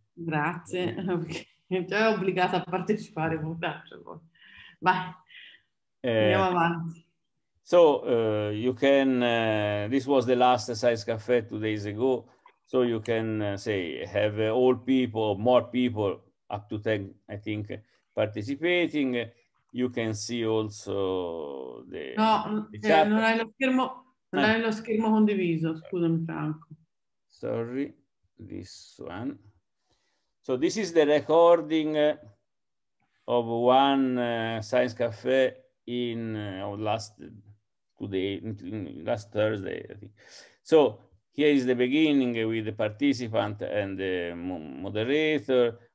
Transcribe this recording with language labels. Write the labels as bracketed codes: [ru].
[it] Grazie, già è obbligata a partecipare, vai, andiamo avanti. [en] So, you can, this was the last Science Cafe 2 days ago, so you can have all people, more people, up to 10, I think, participating. You can see also the... [it] No, non hai lo schermo condiviso, scusami Franco. [en] Sorry, this one. So this is the recording of one Science Cafe in last Thursday, I think. So here is the beginning with the participant and the moderator.